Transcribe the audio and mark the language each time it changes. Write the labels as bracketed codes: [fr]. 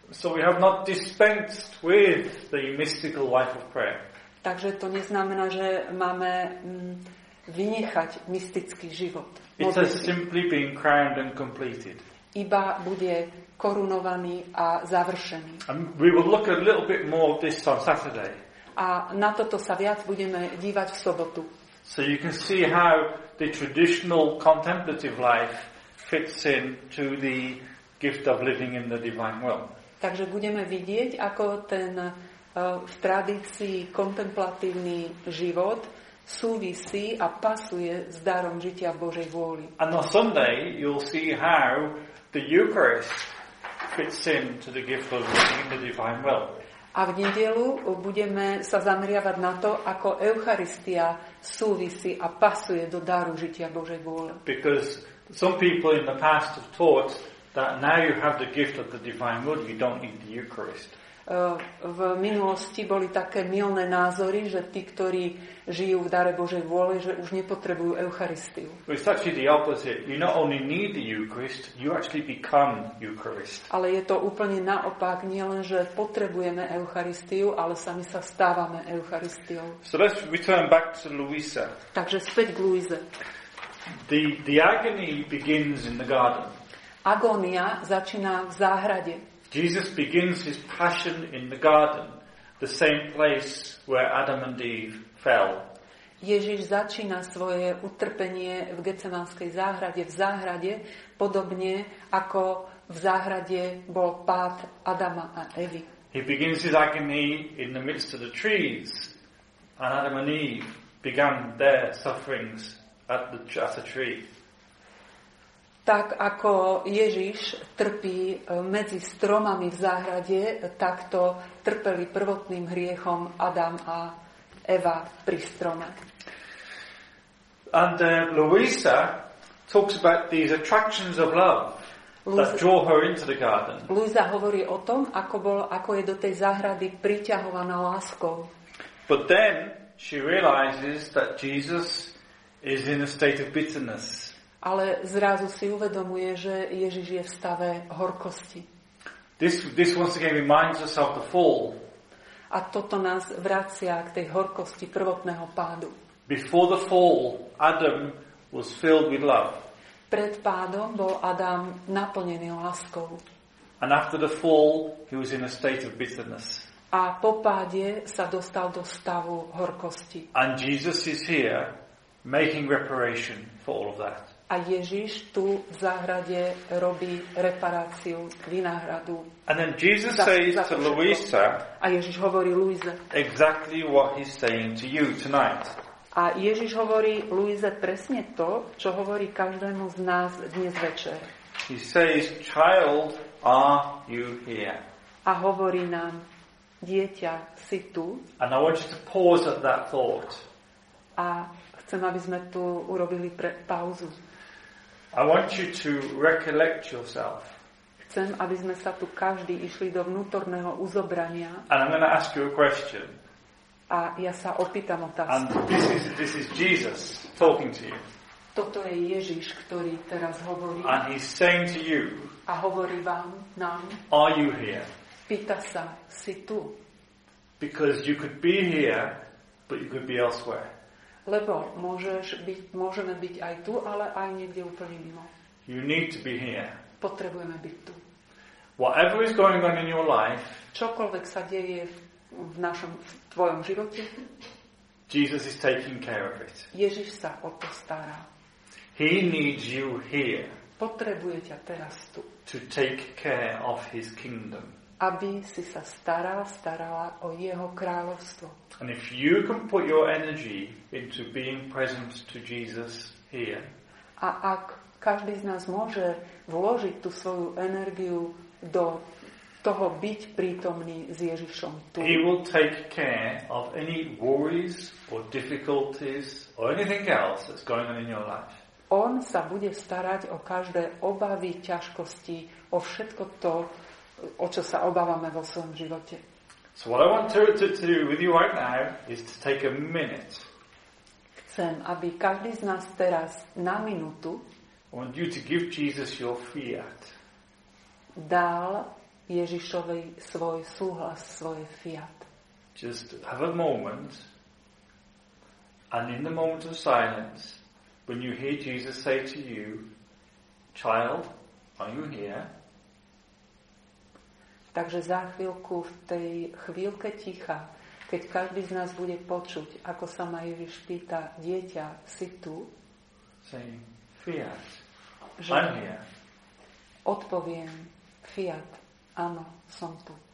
[en] So we have not dispensed with the mystical life of prayer. [sk] Takže to neznamená, že máme vynechať mystický život. [en] It has simply been crowned and completed. [sk] Iba bude korunovaný a završený. [en] And we will look a little bit more of this on Saturday. [sk] A na toto sa viac budeme dívať v sobotu. [en] So you can see how the traditional contemplative life fits in to the gift of living in the divine will. [sk] Takže budeme vidieť, ako ten v tradícii kontemplatívny život súvisí a pasuje s darom žitia v Božej vôli. [en] And on Sunday you'll see how the Eucharist fits in to the gift of living in the divine will. [sk] A v nedeľu budeme sa zameriavať na to, ako Eucharistia súvisí a pasuje do daru žitia Božej vôle. [en] Because some people in the past have taught that now you have the gift of the divine word, you don't need the Eucharist. [sk] V minulosti boli také mylné názory, že tí, ktorí žijú v dare Božej vôle, že už nepotrebujú Eucharistiu. [en] It's actually the opposite. You not only need the Eucharist, you actually become Eucharist. [sk] Ale je to úplne naopak, nielen, že potrebujeme Eucharistiu, ale sami sa stávame Eucharistiou. [en] So let's return back to Louisa. [sk] Takže späť k Louise. [en] The agony begins in the garden. [sk] Agónia začína v záhrade. [en] Jesus begins his passion in the garden, the same place where Adam and Eve fell. [sk] Ježiš začína svoje utrpenie v Getsemanskej záhrade, v záhrade, podobne ako v záhrade bol pád Adama a Evy. [en] He begins his agony in the midst of the trees, and Adam and Eve began their sufferings at the tree. [sk] Tak ako Ježiš trpí medzi stromami v záhrade, takto trpeli prvotným hriechom Adam a Eva pri strome. [en] And Louisa talks about these attractions of love that draw her into the garden. [sk] Louisa hovorí o tom, ako je do tej záhrady priťahovaná láskou. [en] But then she realizes that Jesus is in a state of bitterness. [sk] Ale zrazu si uvedomuje, že Ježiš je v stave horkosti. [en] This once again reminds us of the fall. [sk] A toto nás vracia k tej horkosti prvotného pádu. [en] Before the fall, Adam was filled with love. [sk] Pred pádom bol Adam naplnený láskou. [en] And after the fall, he was in a state of bitterness. [sk] A po páde sa dostal do stavu horkosti. [en] And Jesus is here making reparation for all of that. [sk] A Ježiš tu v záhrade robí reparáciu, vynáhradu. [en] And then Jesus says to Louisa. [sk] A Ježiš hovorí Louise. [en] Exactly what he's saying to you tonight. [sk] A Ježiš hovorí Louise presne to, čo hovorí každému z nás dnes večer. [en] He says, child, are you here? [sk] A hovorí nám, dieťa, si tu? [en] And I want you to pause at that thought. [sk] A chcem, aby sme tu urobili pauzu. [en] I want you to recollect yourself. [sk] Chcem, aby sme sa tu každý išli do vnútorného uzobrania. [en] And I'm going to ask you a question. [sk] A ja sa opýtam otázku. [en] And this is Jesus talking to you. [sk] Toto je Ježiš, ktorý teraz hovorí. [en] And he's saying to you. [sk] A hovorí vám, nám. [en] Are you here? [sk] Pýta sa, si tu? [en] Because you could be here, but you could be elsewhere. [sk] Lebo môžeme byť aj tu, ale aj niekde úplne mimo. [en] You need to be here. [sk] Potrebujeme byť tu. [en] Whatever is going on in your life, [sk] čokoľvek sa deje v tvojom živote, [en] Jesus is taking care of it. [sk] Ježiš sa o to stará. [en] He needs you here. [sk] Potrebuje ťa teraz tu. [en] To take care of his kingdom. [sk] Aby si sa starala o jeho kráľovstvo. [en] And if you can put your energy into being present to Jesus here. [sk] A ak každý z nás môže vložiť tú svoju energiu do toho byť prítomný s Ježišom tu. [en] He will take care of any worries or difficulties or anything else that's going on in your life. [sk] On sa bude starať o každé obavy, ťažkosti, o všetko to, o čo sa obávame vo svojom živote. [en] So what I want to do with you right now is to take a minute. [sk] Chcem, aby každý z nás teraz na minútu. [en] I want you to give Jesus your fiat. [sk] Dal Ježišovi svoj súhlas, svoje fiat. [en] Just have a moment. And in the moment of silence, when you hear Jesus say to you, child, are you here? [sk] Takže za chvíľku, v tej chvíľke ticha, keď každý z nás bude počuť, ako sa ma Ježiš pýta, dieťa, si tu? [en] Saying, fiat, I'm here. [sk] Odpoviem, fiat, áno, som tu.